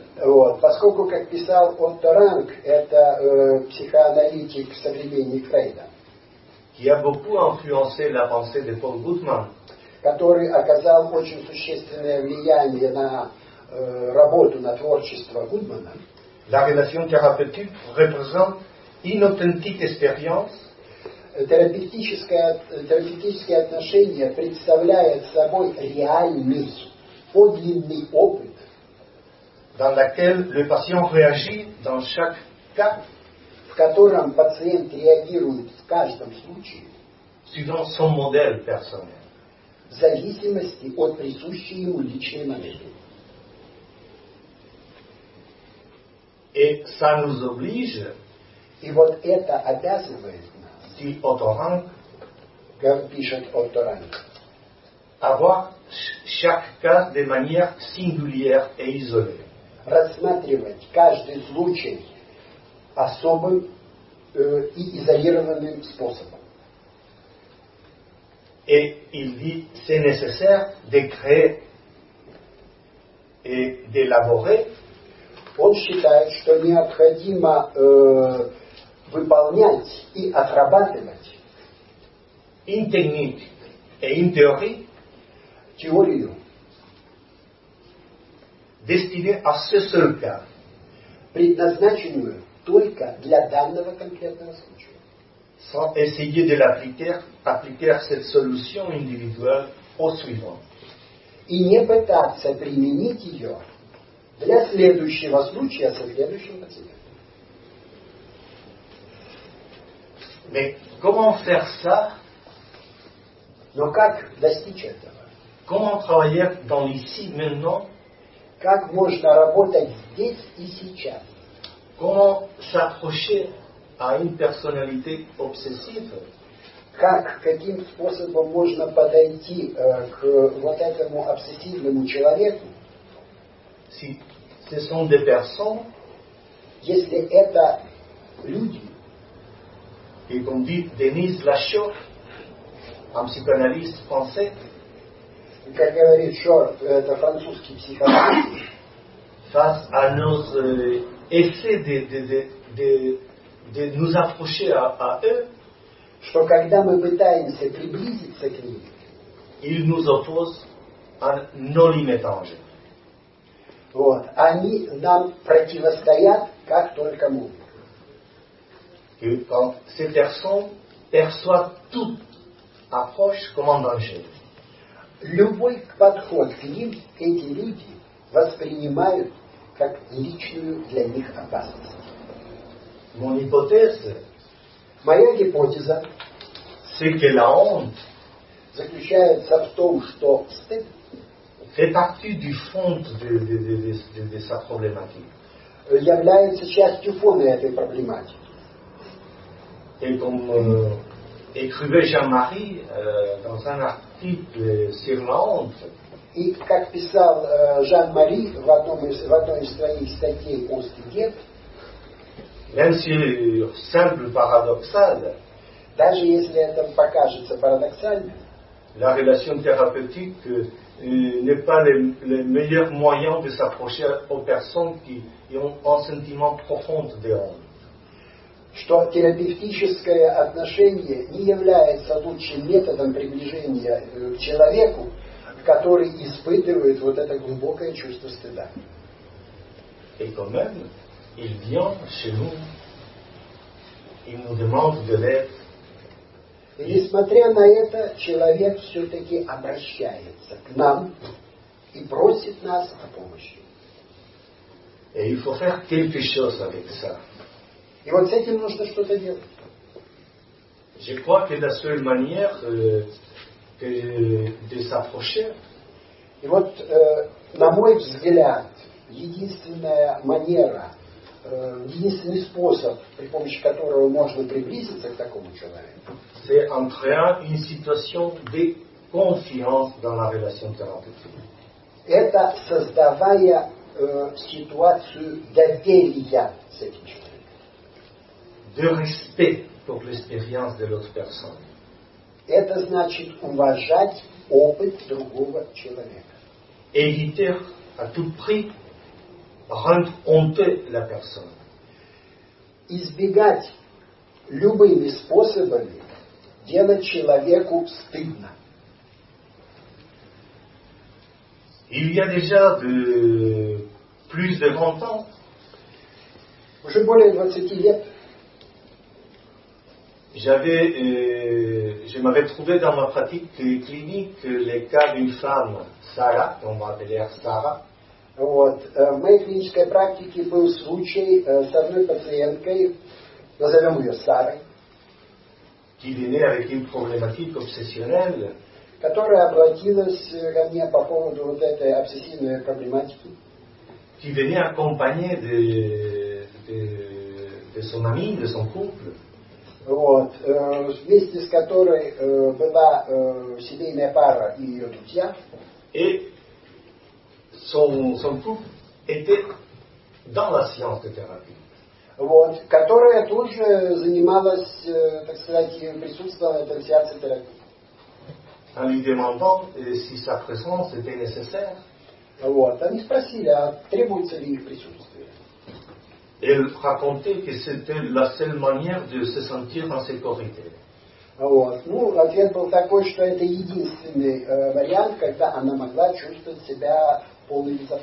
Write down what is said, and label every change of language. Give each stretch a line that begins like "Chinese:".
Russian: Вот, поскольку, как писал Otto Rank, это психоаналитик современник Фрейда,
French: qui a beaucoup influencé la pensée de Paul Goodman.
Russian: Который оказал очень существенное влияние на работу, на творчество Гудмана.
French: La relation thérapeutique représente une authentique expérience.
Russian: Терапевтические отношения представляют собой реальный, подлинный опыт,
French: dans laquelle le patient réagit dans chaque cas,
Russian: в котором пациент реагирует в каждом случае,
French: suivant son modèle personnel,
Russian: в зависимости от присущей ему личной модели.
French: Et ça nous oblige,
Russian: и вот это обязывает
French: dit Otto-Rank,
Russian: пишет Otto-Rank,
French: avoir chaque cas de manière singulière et isolée.
Russian: Рассматривать каждый случай особым и изолированным способом.
French: Et il dit, c'est nécessaire de créer et d'élaborer.
Russian: Он считает, что необходимо выполнять и отрабатывать
French: une technique et une théorie,
Russian: теорию,
French: destinée à ce seul cas,
Russian: предназначенную только для данного конкретного случая,
French: sans essayer de l'appliquer cette solution individuelle au suivant,
Russian: и не пытаться применить ее для следующего случая со следующим пациентом.
French: Mais comment faire ça?
Russian: Но как достичь этого?
French: Comment travailler dans l'ici maintenant?
Russian: Как можно работать здесь и сейчас?
French: Comment s'approcher à une personnalité obsessive?
Russian: Каким способом можно подойти к вот этому обсессивному человеку?
French: Si ce sont des personnes,
Russian: если это люди.
French: Et comme dit Denise Lachaud, un psychanalyste français,
Russian: как говорит Шорт, это французский психоаналитик,
French: face à nos essais de nous approcher à eux,
Russian: что когда мы пытаемся приблизиться к ним,
French: ils nous opposent à nos limites.
Russian: Вот, они нам противостоят как только могут.
French: Que quand ces personnes perçoivent toute approche comme un danger.
Russian: Любой подход к ним эти люди воспринимают как личную для них опасность.
French: Mon hypothèse,
Russian: моя гипотеза,
French: c'est que la honte
Russian: заключается в том, что стыд
French: fait partie du fond de sa problématique.
Russian: Является частью фона этой проблематики.
French: Et comme écrivait Jean-Marie dans un article sur la honte.
Russian: Et как писал Жан-Мари в одной из своих статей о стыде.
French: Même si simple paradoxal.
Russian: Даже если это покажется парадоксальным.
French: La relation thérapeutique n'est pas le meilleur moyen de s'approcher aux personnes qui ont un sentiment profond de honte.
Russian: Что терапевтическое отношение не является лучшим методом приближения к человеку, который испытывает вот это глубокое чувство стыда.
French: Et quand même, il vient chez nous, il nous demande de l'aide.
Russian: И несмотря на это, человек все-таки обращается к нам и просит нас о помощи.
French: Et il faut faire quelque chose avec ça.
Russian: И вот с этим нужно что-то делать.
French: Je crois que la seule manière de s'approcher.
Russian: И вот, на мой взгляд, единственная манера, единственный способ, при помощи которого можно приблизиться к такому человеку,
French: c'est en créant une situation de confiance dans la relation thérapeutique.
Russian: Это создавая ситуацию доверия с этим человеком.
French: De respect pour l'expérience de l'autre personne.
Russian: Это значит уважать опыт другого человека.
French: Éviter à tout prix rendre honteux la personne.
Russian: Избегать любыми способами делать человеку стыдно.
French: Il y a déjà de plus de 20 ans.
Russian: Уже более 20 лет.
French: J'avais, je m'avais trouvé dans ma pratique clinique les cas d'une femme, Sarah, on va appeler Sarah.
Russian: Вот. В моей клинической практике был случай с одной пациенткой, назовем ее Сарой,
French: qui venait avec une problématique obsessionnelle,
Russian: которая обратилась ко мне по поводу вот этой обсессивной проблематики,
French: qui venait accompagnée de son ami, de son couple,
Russian: вот, вместе с которой была семейная пара и ее друзья.
French: Et son couple était dans la science de thérapie.
Russian: Вот, которая тут же занималась, так сказать, присутствовала в сеансе терапии.
French: En lui demandant si sa présence était nécessaire.
Russian: Вот, они спросили, а требуется ли их присутствие.
French: Elle racontait que c'était la seule manière de se sentir en sécurité.
Russian: Вот. Ну, ответ был такой, что это единственный вариант, когда она могла чувствовать себя в полной